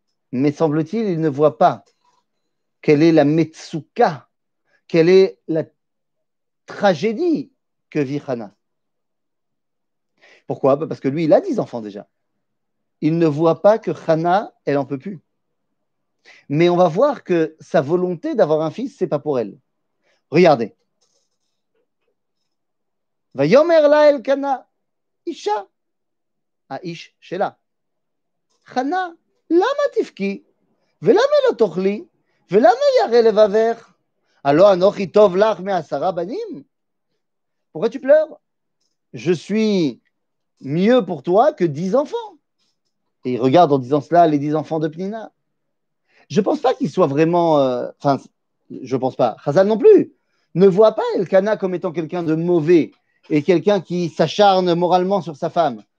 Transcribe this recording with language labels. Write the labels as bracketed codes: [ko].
[fr] Mais semble-t-il, il ne voit pas quelle est la metsuka, quelle est la tragédie que vit Hana. Pourquoi? Parce que lui, il a 10 enfants déjà. Il ne voit pas que Hana, elle n'en peut plus. Mais on va voir que sa volonté d'avoir un fils, ce n'est pas pour elle. Regardez. [he] ויאמר לה אלקנה, אישה, האיש שלה, חנה, למה תפקי? ולמה לא תאכלי? ולמה ירא לבבך? הלא אנוכי טוב לך מעשרה בנים? [fr] Pourquoi tu pleures? Je suis mieux pour toi que 10 enfants. Et il regarde en disant cela les 10 enfants de Pnina. Je ne pense pas qu'il soit vraiment... Enfin, je ne pense pas. Chazal non plus ne voit pas Elkana comme étant quelqu'un de mauvais et quelqu'un qui s'acharne moralement sur sa femme.